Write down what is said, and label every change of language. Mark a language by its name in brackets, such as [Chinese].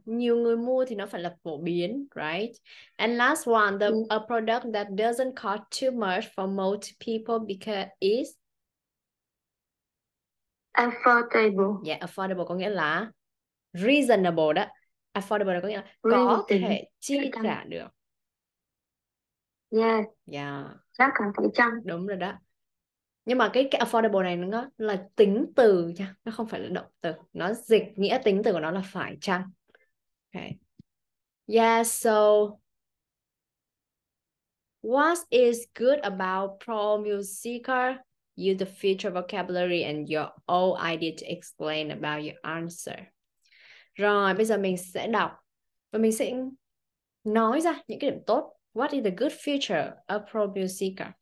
[Vietnamese] Nhiều người mua thì nó phải là phổ biến, right? [English] And last one, a product that doesn't cost too much for most people because is. Affordable. [Vietnamese] Yeah, affordable có nghĩa là reasonable đó. Affordable có nghĩa là có [English] Reason. [Vietnamese] thể chi Chắc trả được. [English] yeah. Yeah. [Vietnamese] Chắc cả phải chăng. Đúng rồi đó. Nhưng mà cái affordable này nó là tính từ nha, nó không phải là động từ. Nó dịch nghĩa tính từ của nó là phải chăng. [English] Okay. Yeah, so what is good about Pro Musica? Use the feature vocabulary and your old idea to explain about your answer. [Vietnamese] Rồi, bây giờ mình sẽ đọc và mình sẽ nói ra những cái điểm tốt. [English] What is the good feature of Pro Musica?